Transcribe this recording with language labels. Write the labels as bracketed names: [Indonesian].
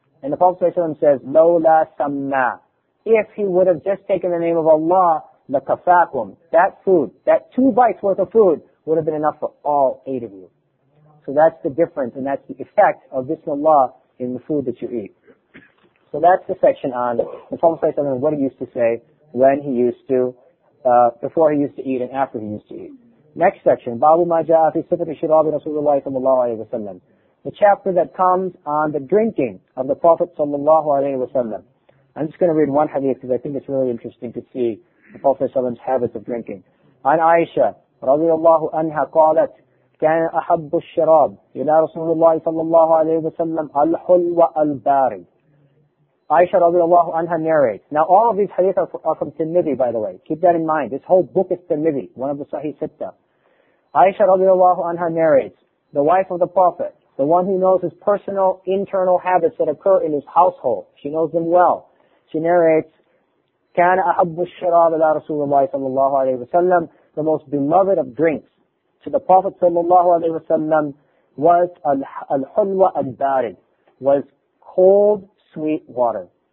[English] And the Prophet sallallahu alayhi wa sallam says, لَوْ لَا سَمَّى if he would have just taken the name of Allah, لَكَفَاكُمْ that food, that two bites worth of food, would have been enough for all eight of you. So that's the difference and that's the effect of Bismillah in the food that you eat. So that's the section on the Prophet ﷺ, what he used to say when he used to, before he used to eat and after he used to eat. [Arabic] Next section, بَابُ مَا جَاءَ فِي صِفَةِ شِرَابِ رَسُولُ اللَّهِ صَلَّى اللَّهُ عَلَيْهِ وَسَلَّمَ the chapter that comes on the drinking of the Prophet ﷺ. [English] I'm just going to read one hadith because I think it's really interesting to see the Prophet's habits of drinking. [Arabic] عن عائشة رضي الله عنها قالت كان أحب الشراب إلى رسول الله صلى الله عليه وسلم الحلوى الباري Aisha رضي الله عنها narrates. [English] Now all of these hadith are from Tirmidhi, by the way. Keep that in mind. This whole book is Tirmidhi, one of the Sahih Sitta. Aisha رضي الله عنها narrates, the wife of the Prophet, the one who knows his personal internal habits that occur in his household. She knows them well. She narrates, كان أحب الشراب إلى رسول الله صلى الله عليه وسلم the most beloved of drinks to the Prophet sallallahu alaihi wasallam was al-hulwa al-barid, was cold, sweet water.